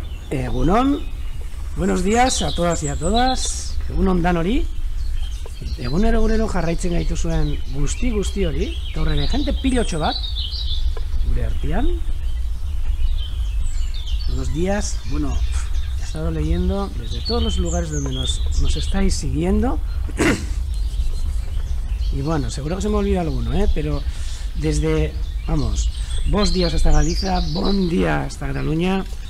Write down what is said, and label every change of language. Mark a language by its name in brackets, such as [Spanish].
[Spanish] Egunon, buenos días a todas y a todas. [Basque] Egunon danori. Egunero egunero jarraitzen gaituzuen guzti guzti hori. Gaur ere jende pilotxo bat gure artean. [Spanish] Buenos días. Bueno, he estado leyendo desde todos los lugares donde nos estáis siguiendo. Y bueno, seguro que se me olvida alguno, ¿eh? Pero desde, vamos, bos días hasta Galicia, bon día hasta Cataluña.